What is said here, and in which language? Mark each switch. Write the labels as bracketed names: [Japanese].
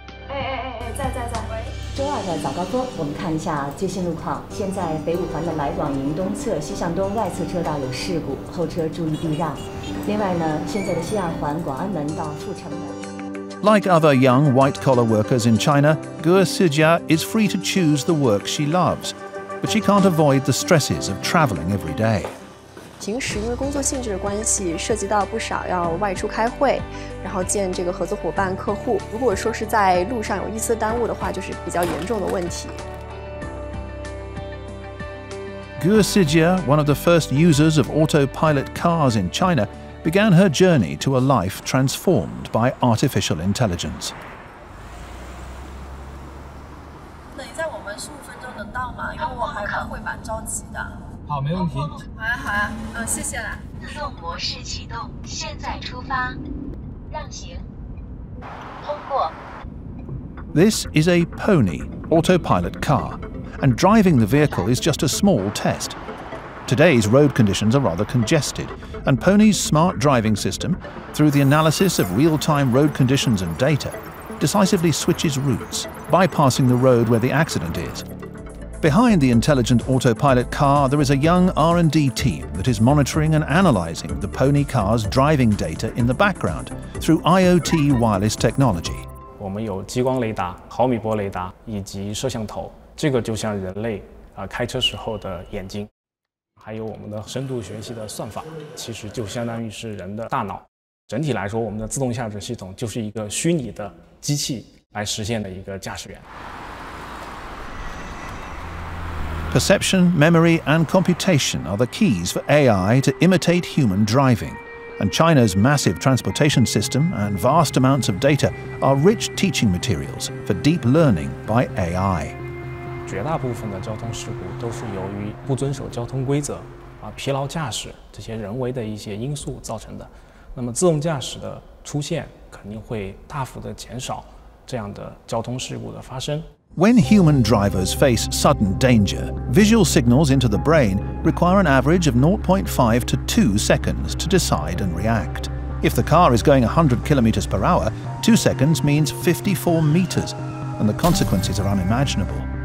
[English] Like other young white-collar workers in China, Guo Sujia is free to choose the work she loves, but she can't avoid the stresses of traveling every day. [Chinese] 平时因为工作性质的关系，涉及到不少要外出开会，然后见这个合作伙伴、客户。如果说是在路上有一丝耽误的话，就是比较严重的问题。 [English] Guo Sijia, one of the first users of autopilot cars in China, began her journey to a life transformed by artificial intelligence. [Chinese] 等一下，我们15分钟能到吗？因为我还开会，蛮着急的。好，没问题。好呀，谢谢啦。自动模式启动，现在出发，让行，通过。 [English] This is a pony autopilot car, and driving the vehicle is just a small test. Today's road conditions are rather congested, and Pony's smart driving system, through the analysis of real-time road conditions and data, decisively switches routes, bypassing the road where the accident is. Behind the intelligent autopilot car, there is a young R&D team that is monitoring and analyzing the pony car's driving data in the background through IoT wireless technology. We have X-ray radar, [Chinese] 毫米波雷达以及摄像头，这个就像人类开车时候的眼睛，还有我们的深度学习的算法，其实就相当于是人的大脑。整体来说，我们的自动驾驶系统就是一个虚拟的机器来实现的一个驾驶员。 [English] Perception, memory, and computation are the keys for AI to imitate human driving. And China's massive transportation system and vast amounts of data are rich teaching materials for deep learning by AI. [Chinese] 绝大部分的交通事故都是由于不遵守交通规则、疲劳驾驶这些人为的一些因素造成的。那么自动驾驶的出现肯定会大幅的减少这样的交通事故的发生。 [English] When human drivers face sudden danger, visual signals into the brain require an average of 0.5 to 2 seconds to decide and react. If the car is going 100 kilometers per hour, 2 seconds means 54 meters, and the consequences are unimaginable.